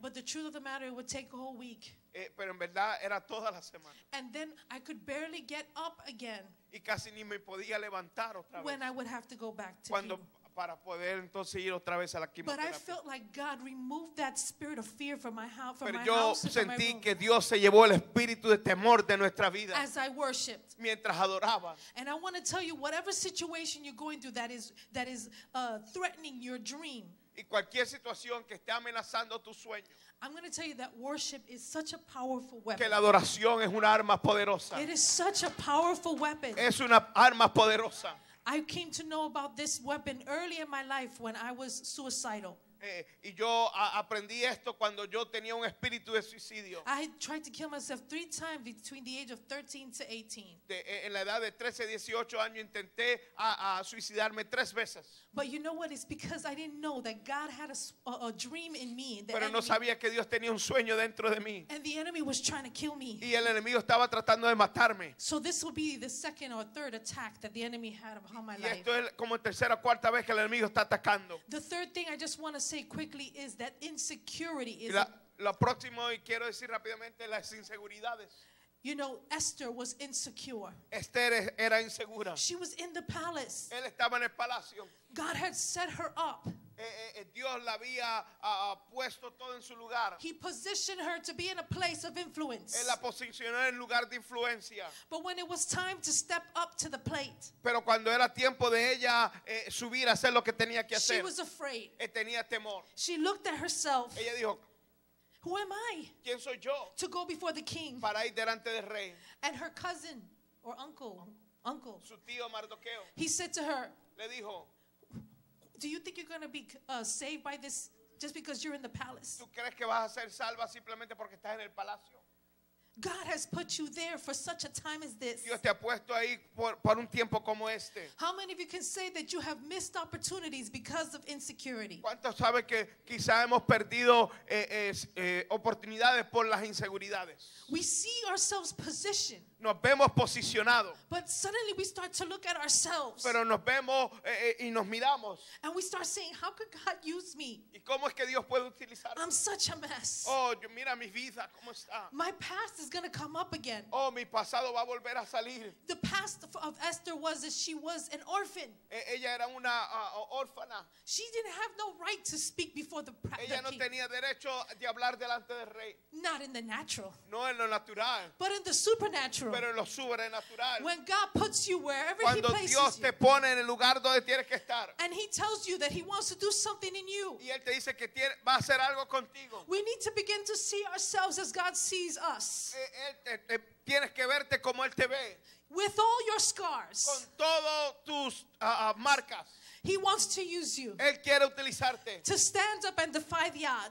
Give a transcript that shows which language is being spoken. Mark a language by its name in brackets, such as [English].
[English] But the truth of the matter, it would take a whole week. [Spanish] Pero en verdad era toda la semana. [English] And then I could barely get up again. [Spanish] Y casi ni me podía levantar otra vez. [English] When I would have to go back to [Spanish] para poder entonces ir otra vez a la quimioterapia. [English] But I felt like God removed that spirit of fear from my house. [Spanish] Pero yo sentí que Dios se llevó el espíritu de temor de nuestra vida. [English] As I worshiped. [Spanish] Mientras adoraba. [English] And I want to tell you, whatever situation you're going through that is threatening your dream. [Spanish] Y cualquier situación que esté amenazando tu sueño. [English] I'm going to tell you that worship is such a powerful weapon. [Spanish] Que la adoración es un arma poderosa. [English] It is such a powerful weapon. [Spanish] Es una arma poderosa. [English] I came to know about this weapon early in my life when I was suicidal. [Spanish] Y yo aprendí esto cuando yo tenía un espíritu de suicidio. [English] I tried to kill myself 3 times between the age of 13 to 18. [Spanish] En la edad de 13 a 18 años intenté a suicidarme 3 veces. [English] But you know what? It's because I didn't know that God had a dream in me. [Spanish] Pero no sabía que Dios tenía un sueño dentro de mí. [English] And the enemy was trying to kill me. [Spanish] Y el enemigo estaba tratando de matarme. [English] So this will be the second or third attack that the enemy had upon my life. [Spanish] Y esto es como tercera o cuarta vez que el enemigo está atacando. [English] The third thing I just want to say quickly is that insecurity is [Spanish] lo próximo y quiero decir rápidamente las inseguridades. [English] You know, Esther was insecure. [Spanish] Esther era insegura. [English] She was in the palace. [Spanish] Él estaba en el palacio. [English] God had set her up. [Spanish] Dios la había puesto todo en su lugar. [English] He positioned her to be in a place of influence. [Spanish] Él la posicionó en lugar de influencia. [English] But when it was time to step up to the plate, [Spanish] pero cuando era tiempo de ella subir a hacer lo que tenía que hacer, [English] she was afraid. [Spanish] Tenía temor. [English] She looked at herself. [Spanish] Ella dijo, [English] "Who am I? [Spanish] ¿Quién soy yo? [English] To go before the king. [Spanish] Para ir delante del rey." [English] And her cousin or uncle, [Spanish] su tío Mardoqueo, [English] he said to her, [Spanish] le dijo, [English] "Do you think you're going to be saved by this just because you're in the palace?" [Spanish] ¿Tú crees que vas a ser salva simplemente porque estás en el palacio? [English] God has put you there for such a time as this. [Spanish] Dios te ha puesto ahí por un tiempo como este. [English] How many of you can say that you have missed opportunities because of insecurity? [Spanish] ¿Cuántos saben que quizá hemos perdido oportunidades por las inseguridades? [English] We see ourselves positioned. [Spanish] Nos vemos posicionados. [English] But suddenly we start to look at ourselves. [Spanish] Pero nos vemos y nos miramos. [English] And we start saying, how could God use me? [Spanish] ¿Y cómo es que Dios puede utilizarme? [English] I'm such a mess. [Spanish] Oh, mira mi vida, ¿cómo está? [English] My past is going to come up again. [Spanish] Oh, mi pasado va a volver a salir. [English] The past of Esther was that she was an orphan. [Spanish] Ella era una órfana. [English] She didn't have no right to speak before the king. [Spanish] Ella no tenía derecho de hablar delante del rey. [English] Not in the natural. [Spanish] No en lo natural. [English] But in the supernatural. [Spanish] Pero en lo sobrenatural. [English] When God puts you wherever [Spanish] cuando [English] he places [Spanish] Dios te pone en el lugar donde tienes que estar. [English] And he tells you that he wants to do something in you. [Spanish] Y él te dice que tiene, va a hacer algo contigo. [English] We need to begin to see ourselves as God sees us. [Spanish] Tienes que verte como él te ve. [English] With all your scars. [Spanish] Con todos tus marcas. [English] He wants to use you. [Spanish] Él quiere utilizarte. [English] To stand up and defy the odds.